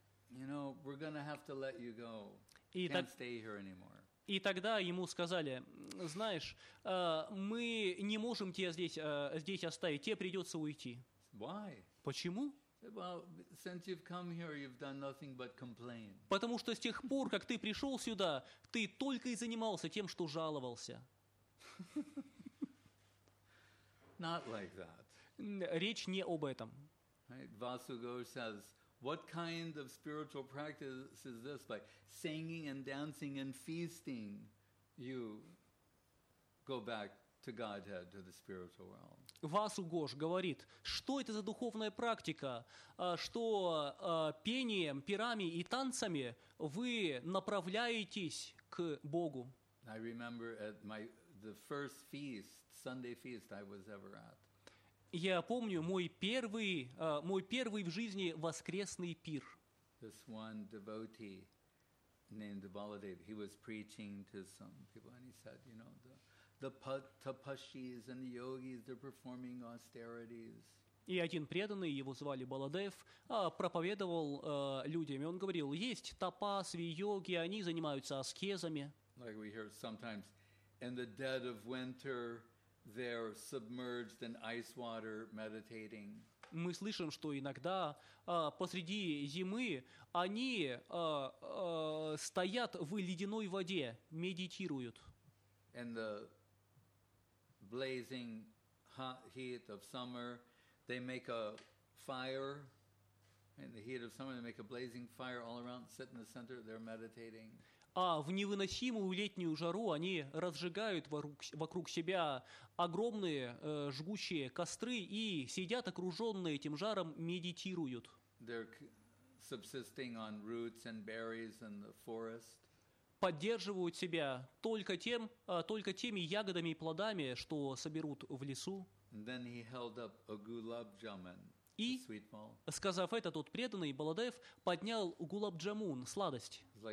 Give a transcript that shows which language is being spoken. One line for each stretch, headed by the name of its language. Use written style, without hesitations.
English: You know, we're gonna have to let you go. Can't stay here anymore.
Russian: И тогда ему сказали: знаешь, мы не можем тебя здесь оставить. Тебе придется уйти.
English: Why?
Russian: Почему?
English: Well, since you've come here, you've done nothing but complain.
Russian: Потому что с тех пор, как ты пришел сюда, ты только и занимался тем, что жаловался.
English: Not like that.
Russian: Речь не об этом.
English: Vasu Ghosh says, what kind of spiritual practice is this? By singing and dancing and feasting, you go back to Godhead, to the spiritual realm.
Russian: Васу Гош говорит, что это за духовная практика, что пением, пирами и танцами вы направляетесь к Богу.
English: I remember at the first feast, Sunday feast I was ever at.
Russian: Я помню мой первый в жизни воскресный пир.
English: This one devotee named Baladev, he was preaching to some people, and he said, you know, the tapashis and the yogis, they're performing austerities.
Russian: И один преданный, его звали Баладев, проповедовал людям, и он говорил: есть тапасви, йоги, они занимаются аскезами.
English: Like we hear sometimes, in the dead of winter, they're submerged in ice water, meditating.
Russian: Мы слышим, что иногда посреди зимы они стоят в ледяной воде, медитируют.
English: In the blazing hot heat of summer, they make a fire. In the heat of summer, they make a blazing fire all around, sit in the center, they're meditating.
Russian: А в невыносимую летнюю жару они разжигают вокруг себя огромные жгучие костры и сидят, окруженные этим жаром, медитируют.
English: They're subsisting on roots and berries in the forest.
Russian: Поддерживают себя только теми ягодами и плодами, что соберут в лесу.
English: And then he held up a gulab jamun.
Russian: И, сказав это, тот преданный Баладев поднял гулаб-джамун, сладость.